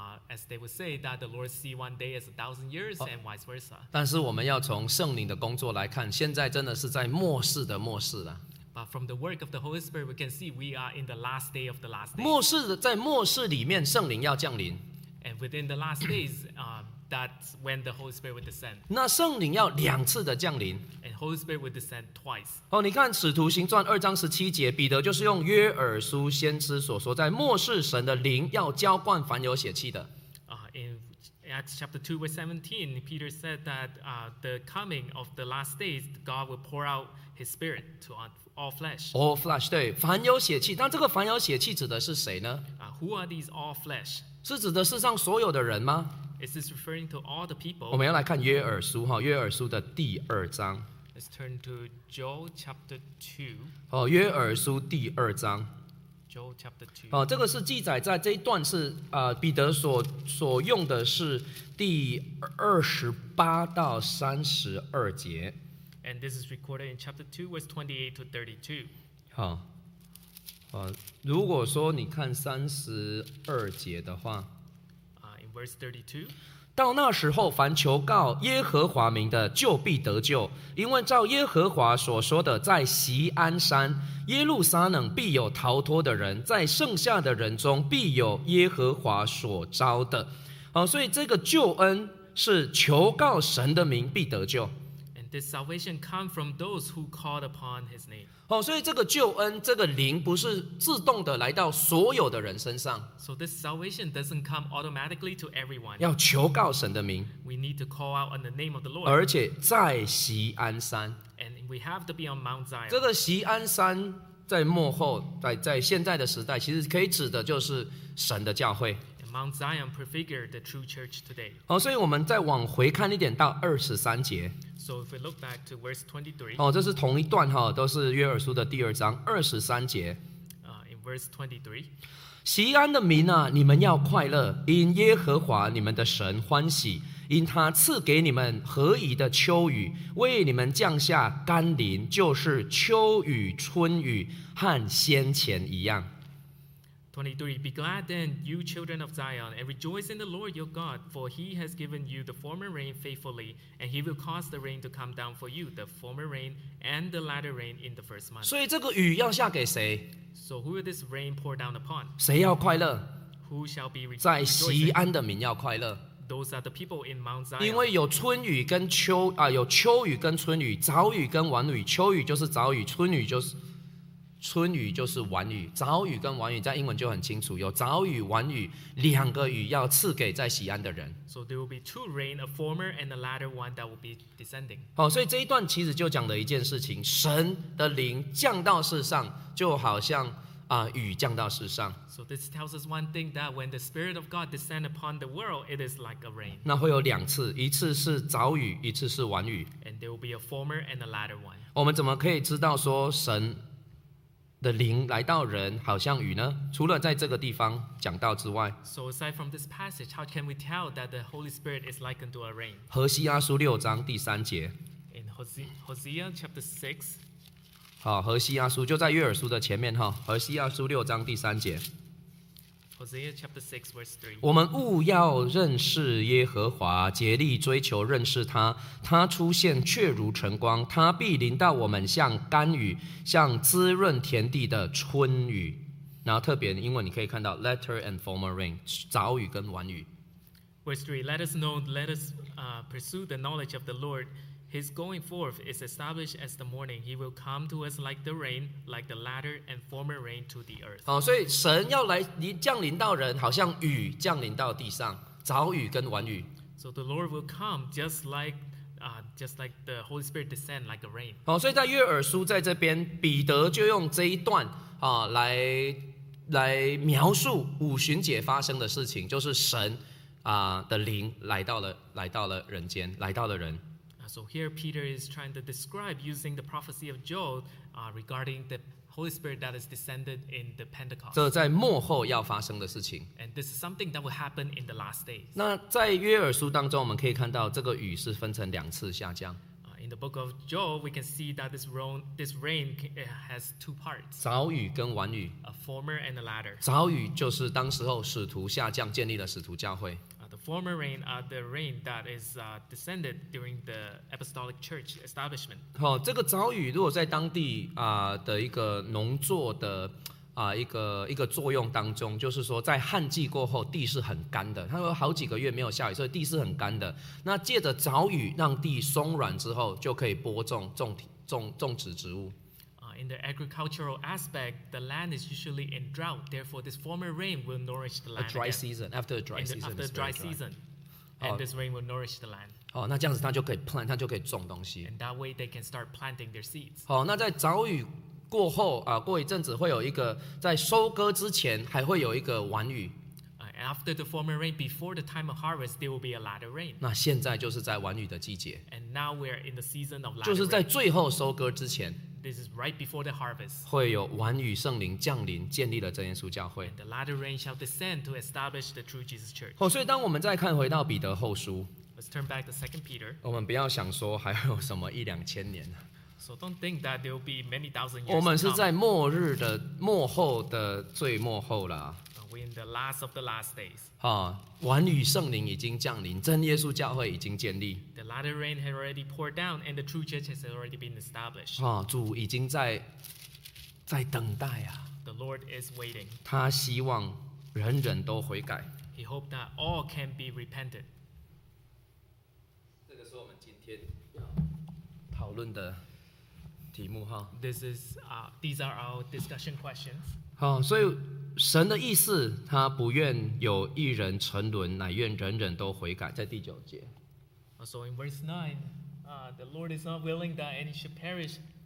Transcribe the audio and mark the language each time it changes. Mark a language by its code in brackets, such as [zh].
[en] As they would say that the Lord see one day as 1,000 years and vice versa. [zh] 但是我们要从圣灵的工作来看，现在真的是在末世的末世了。 [en] But from the work of the Holy Spirit, we can see we are in the last day of the last day. [zh] 末世的在末世里面，圣灵要降临。 [en] And within the last days, that's when the Holy Spirit will descend. [zh] 那圣灵要两次的降临。 [en] And Holy Spirit will descend twice. [zh] 你看《使徒行传》二章十七节，彼得就是用约珥书先知所说，在末世神的灵要浇灌凡有血气的。 [en] In Acts chapter 2 verse 17, Peter said that the coming of the last days, God will pour out His Spirit to all flesh. All flesh, [zh] 对，凡有血气。那这个凡有血气指的是谁呢？ [en] Who are these all flesh? [zh] 是指的世上所有的人吗？ [en] Is this referring to all the people? [zh] 我们要来看约珥书哈，约珥书的第二章。 [en] Let's turn to Joel chapter 2. [zh] 约珥书第二章。 [en] Joel chapter 2. [zh] 这个是记载在这一段是彼得所用的是第28到32节。 [en] And this is recorded in chapter 2, verse 28 to 32. [zh] 如果说你看32节的话。 [en] Verse 32. [zh] 到那时候，凡求告耶和华名的，就必得救，因为照耶和华所说的，在锡安山、耶路撒冷必有逃脱的人，在剩下的人中必有耶和华所招的。所以这个救恩是求告神的名必得救。 [en] And this salvation comes from those who called upon his name. [zh] 所以这个救恩，这个灵不是自动的来到所有的人身上。 [en] So this salvation doesn't come automatically to everyone. [zh] 要求告神的名。 [en] We need to call out on the name of the Lord. [zh] 而且在锡安山。 [en] And we have to be on Mount Zion. [zh] 这个锡安山在末后，在现在的时代，其实可以指的就是神的教会。 [en] And Mount Zion prefigured the true church today. [zh] 所以我们再往回看一点到23节。 [en] So if we look back to verse 23, [zh] 这是同一段哈，都是约珥书的第二章二十三节。 [en] In verse 23, [zh] 锡安的民啊，你们要快乐，因耶和华你们的神欢喜，因他赐给你们合宜的秋雨，为你们降下甘霖，就是秋雨、春雨和先前一样。 [en] 23, be glad then, you children of Zion, and rejoice in the Lord your God, for he has given you the former rain faithfully, and he will cause the rain to come down for you, the former rain and the latter rain in the first month. [zh] 所以这个雨要下给谁? [en] So who will this rain pour down upon? [zh] 谁要快乐? [en] Who shall be rejoiced? [zh] 在锡安的民要快乐。 [en] Those are the people in Mount Zion. [zh] 因为有春雨跟秋,有秋雨跟春雨,早雨跟晚雨,秋雨就是早雨,春雨就是春雨就是晚雨，早雨跟晚雨在英文就很清楚，有早雨、晚雨两个雨要赐给在锡安的人。 [en] So there will be two rain, a former and a latter one that will be descending. [zh] 所以这一段其实就讲了一件事情，神的灵降到世上，就好像雨降到世上。 [en] So this tells us one thing that when the Spirit of God descend upon the world, it is like a rain. [zh] 那会有两次，一次是早雨，一次是晚雨。 [en] And there will be a former and a latter one. [zh] 我们怎么可以知道说神的灵来到人好像雨呢？除了在这个地方讲到之外， [en] So aside from this passage, how can we tell that the Holy Spirit is like unto a rain? [zh] 何西阿书六章第三节。 [en] In Hosea chapter 6. [zh] 好，何西阿书就在约珥书的前面哈。何西阿书六章第三节。 [en] Hosea chapter 6 verse 3. [zh] 我们务要认识耶和华，竭力追求认识他。他出现却如晨光，他必临到我们像甘雨，像滋润田地的春雨。然后特别英文你可以看到 [en] latter and former rain， [zh] 早雨跟晚雨。 [en] Verse 3. Let us know, let us pursue the knowledge of the Lord. His going forth is established as the morning. He will come to us like the rain, like the latter and former rain to the earth. [zh] 所以神要来降临到人，好像雨降临到地上，早雨跟晚雨。 [en] So the Lord will come just like, the Holy Spirit descend like a rain. [zh] 所以在约珥书在这边，彼得就用这一段啊来描述五旬节发生的事情，就是神的灵来到了人间，来到了人。 [en] So here Peter is trying to describe using the prophecy of Joel regarding the Holy Spirit that is descended in the Pentecost. [zh] 这在末后要发生的事情。 [en] And this is something that will happen in the last days. [zh] 那在约珥书当中，我们可以看到这个雨是分成两次下降。 [en] In the book of Joel, we can see that this rain has two parts. [zh] 早雨跟晚雨。 [en] A former and a latter. [zh] 早雨就是当时候使徒下降建立了使徒教会。 [en] The former rain are the rain that is descended during the apostolic church establishment. [zh] 这个早雨如果在当地的一个农作的一个作用当中，就是说在旱季过后地是很干的，它有好几个月没有下雨，所以地是很干的。那借着早雨让地松软之后，就可以播种种植植物。 [en] In the agricultural aspect, the land is usually in drought. Therefore, this former rain will nourish the land. A dry season, after a dry season. After a dry season. And this rain will nourish the land. [zh] 那这样子他就可以 plant, 他就可以种东西。 [en] And that way they can start planting their seeds. [zh] 那在早雨过后过一阵子会有一个，在收割之前还会有一个晚雨。 [en] After the former rain, before the time of harvest, there will be a latter rain. [zh] 那现在就是在晚雨的季节。 [en] And now we're in the season of latter [zh] rain. 就是在最后收割之前。 [en] This is right before the harvest. [zh] 会有晚雨圣灵降临，建立了真耶稣教会。 [en] And the latter rain shall descend to establish the true Jesus Church. [zh] 所以当我们再看回到彼得后书。 [en] Let's turn back to 2 Peter. [zh] 我们不要想说还有什么一两千年。 [en] So don't think that there will be many thousand years. [zh] 我们是在末日的末后的最末后了。 [en] In the last of the last days. [zh] 晚雨圣灵已经降临，真耶稣教会已经建立。 [en] The latter rain had already poured down, and the true church has already been established. [zh] 主已经在等待啊。 [en] The Lord is waiting. [zh] 他希望人人都悔改。 [en] He hoped that all can be repented. [zh] 这个是我们今天要讨论的题目哈。 [en] This is these are our discussion questions. [zh] 所以。神的意思，他不愿有一人沉沦，乃愿人人都悔改，在第九节。 [en] So in verse 9, the Lord is not willing that any should perish.